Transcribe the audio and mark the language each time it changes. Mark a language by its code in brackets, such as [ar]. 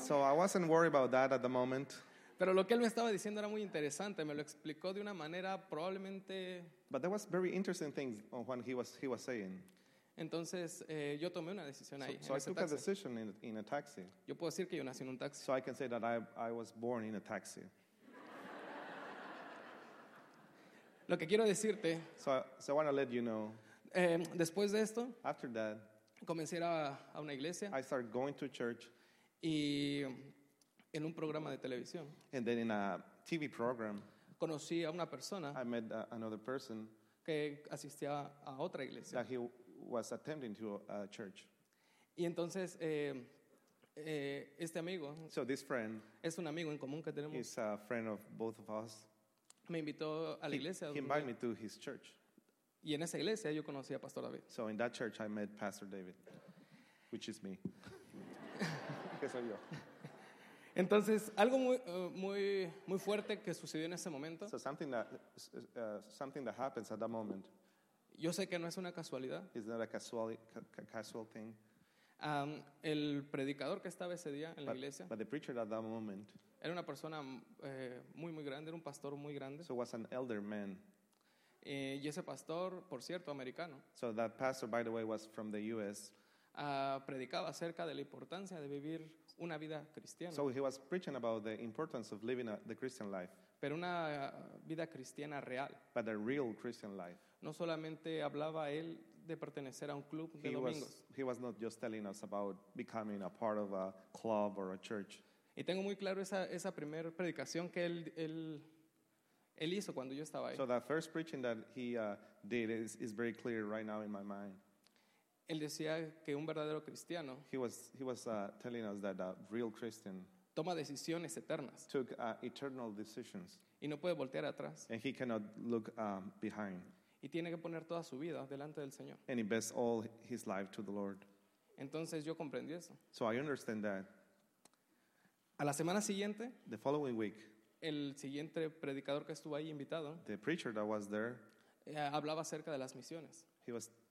[en] So I wasn't worried about that at the moment. [es] Pero lo que él me estaba diciendo era muy interesante. Me lo explicó de una manera probablemente. [en] But there was very interesting things on what he was saying. [es] Entonces yo tomé una decisión ahí. [en] So I took taxi. A decision in a taxi. [es] Yo puedo decir que yo nací en un taxi. [en] So I can say that I was born in a taxi. [es] Lo que quiero decirte. [en] So I want to let you know. [es] Después de esto. [en] After that. [es] Comencé a una iglesia. [en] I started going to church. [es] Y en un programa de televisión. [en] And then in a TV program. [es] Conocí a una persona. [en] I met another person. [es] Que asistía a otra iglesia. [en] That he was attending to a church. [es] Y entonces este amigo. [en] So this friend. [es] Es un amigo en común que tenemos. [en] He's a friend of both of us. [es] Me invitó a la iglesia. [en] He invited me to his church. [es] Y en esa iglesia yo conocí a Pastor David. [en] So in that church I met Pastor David, which is me. [es] Que soy yo. Entonces, algo muy muy muy fuerte que sucedió en ese momento. [en] So something that happens at that moment. [es] Yo sé que no es una casualidad. [en] It's not a casual thing. [es] El predicador que estaba ese día en la iglesia. [en] But the preacher at that moment. [es] Era una persona muy muy grande, era un pastor muy grande. [en] So was an elder man. [es] Y ese pastor, por cierto, americano. [en] So that pastor, by the way, was from the U.S. [es] Predicaba acerca de la importancia de vivir una vida cristiana. [en] So he was preaching about the importance of living the Christian life. [es] Pero una vida cristiana real. [en] But a real Christian life. [es] No solamente hablaba él de pertenecer a un club de domingos. [en] He was not just telling us about becoming a part of a club or a church. [es] Y tengo muy claro esa primera predicación que él hizo cuando yo estaba ahí. [en] So that first preaching that he did is very clear right now in my mind. [es] Él decía que un verdadero cristiano. [en] He was telling us that a real Christian. [es] Toma decisiones eternas. [en] Took eternal decisions. [es] Y no puede voltear atrás. [en] And he cannot look behind. [es] Y tiene que poner toda su vida delante del Señor. [en] And invest all his life to the Lord. [es] Entonces yo comprendí eso. [en] So I understand that. [es] A la semana siguiente, [en] the following week, [es] el siguiente predicador que estuvo ahí invitado, [en] the preacher that was there, [es] hablaba acerca de las misiones. [en] He was